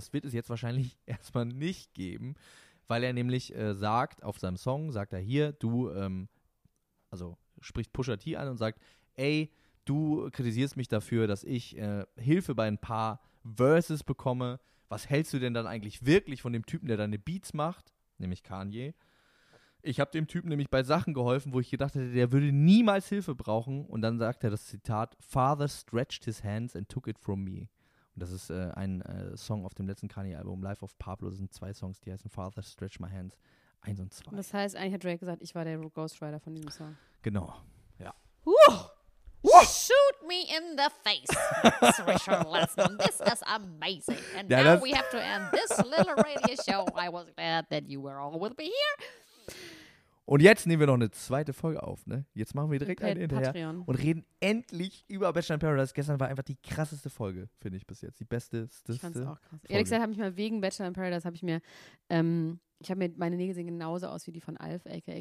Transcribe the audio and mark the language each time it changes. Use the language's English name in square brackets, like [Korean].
[German] Das wird es jetzt wahrscheinlich erstmal nicht geben, weil er nämlich sagt, auf seinem Song sagt er hier, du, also spricht Pusha T an und sagt, ey, du kritisierst mich dafür, dass ich Hilfe bei ein paar Verses bekomme. Was hältst du denn dann eigentlich wirklich von dem Typen, der deine Beats macht, nämlich Kanye? Ich habe dem Typen nämlich bei Sachen geholfen, wo ich gedacht hätte, der würde niemals Hilfe brauchen. Und dann sagt er das Zitat, [English] Father stretched his hands and took it from me. [German] Und das ist ein Song auf dem letzten Kanye-Album, Life of Pablo. Das sind zwei Songs, die heißen Father Stretch My Hands 1 und 2. Das heißt, eigentlich hat Drake gesagt, ich war der Ghostwriter von diesem Song. Genau, ja. [English] Shoot me in the face, Richard Lesson. This is amazing. And now we have to end this little radio show. I was glad that you were all with me here. [German] Und jetzt nehmen wir noch eine zweite Folge auf, ne? Jetzt machen wir direkt eine hinterher Patreon. Und reden endlich über Bachelor in Paradise. Gestern war einfach die krasseste Folge, finde ich bis jetzt. Die beste, das ich fand's auch krass. Folge. Ehrlich gesagt, habe ich mal wegen Bachelor in Paradise, habe mir meine Nägel sehen genauso aus wie die von Alf, a.k.a.